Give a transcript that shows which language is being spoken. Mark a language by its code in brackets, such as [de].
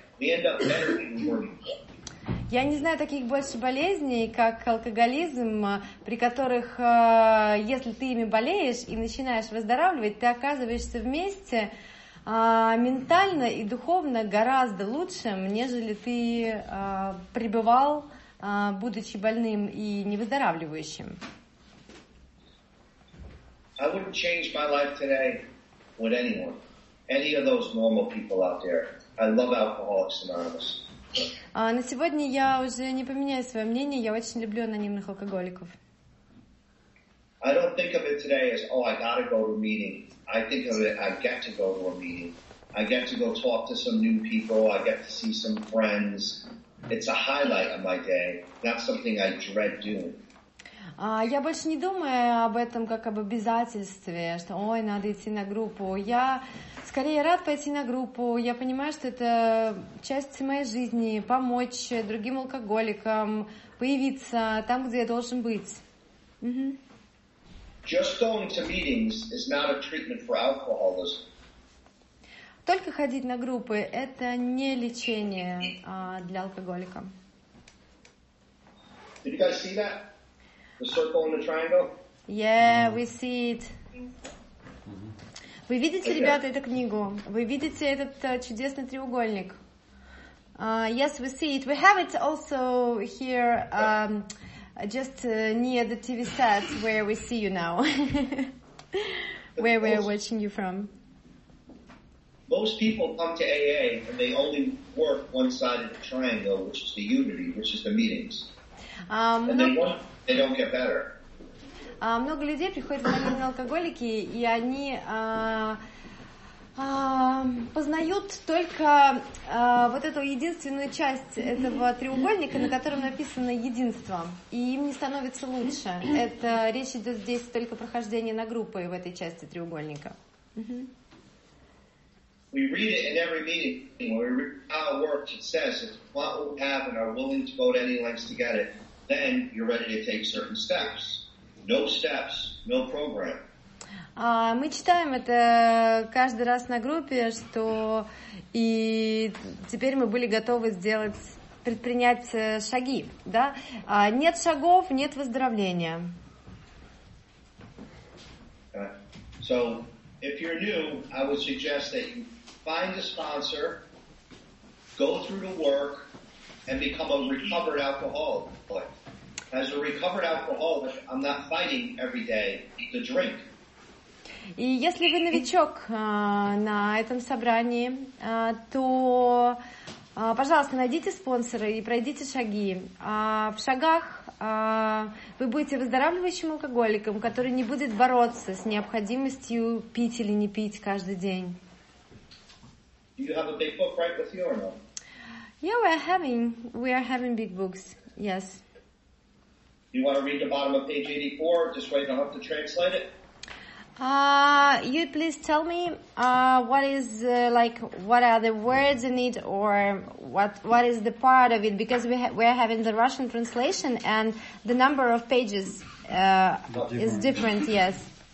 [en] We end up better than we were before. [ru] Я не знаю таких больше болезней, как алкоголизм, при которых, если ты ими болеешь и начинаешь выздоравливать, ты оказываешься вместе ментально и духовно гораздо лучше, нежели ты пребывал, будучи больным и не выздоравливающим. [en] I wouldn't change my life today with anyone, any of those normal people out there. I love Alcoholics Anonymous. [ru] На сегодня я уже не поменяю свое мнение. Я очень люблю анонимных алкоголиков. [en] I don't think of it today as, oh, I gotta go to a meeting. I think of it, I get to go to a meeting. I get to go talk to some new people. I get to see some friends. It's a highlight of my day, not something I dread doing. [ru] Я больше не думаю об этом как об обязательстве, что, ой, надо идти на группу. Я скорее рад пойти на группу. Я понимаю, что это часть моей жизни, помочь другим алкоголикам появиться там, где я должен быть. Угу. [en] Just going to meetings is not a treatment for alcoholism. [ru] Только ходить на группы – это не лечение для алкоголика. [en] Did you guys see that? The circle and the triangle? Yeah, we see it. [ru] Вы видите, [en] okay. [ru] Ребята, эту книгу? Вы видите этот чудесный треугольник? [en] Yes, we see it. We have it also here, just near the TV set where we see you now. Where we are watching you from. Most people come to AA and they only work one side of the triangle, which is the unity, which is the meetings. They don't get better. [ru] Много людей приходят в анонимные алкоголики, и они познают только вот эту единственную часть этого треугольника, на котором написано единство, и им не становится лучше. Это речь идет здесь только прохождение на группы в этой части треугольника. [en] We read it in every meeting. We read how it works. It says if you want what we have and are willing to go to any lengths to get it, then you're ready to take certain steps. No steps, no program. [ru] Мы читаем это каждый раз на группе, что и теперь мы были готовы сделать, предпринять шаги, да? Нет шагов, нет выздоровления. [en] Okay. So, if you're new, I would suggest that you find a sponsor, go through the work, and become a recovered alcoholic. As a recovered alcoholic, I'm not fighting every day to drink. [ru] И если вы новичок на этом собрании, то, пожалуйста, найдите спонсора и пройдите шаги. В шагах вы будете выздоравливающим алкоголиком, который не будет бороться с необходимостью пить или не пить каждый день. [en] Do you have a big book right with you or no? Yeah, we are having big books, yes. You want to read the bottom of page 84, just right now to translate it? You please tell me what are the words in it or what is the part of it, because we're having the Russian translation and the number of pages is different, yes.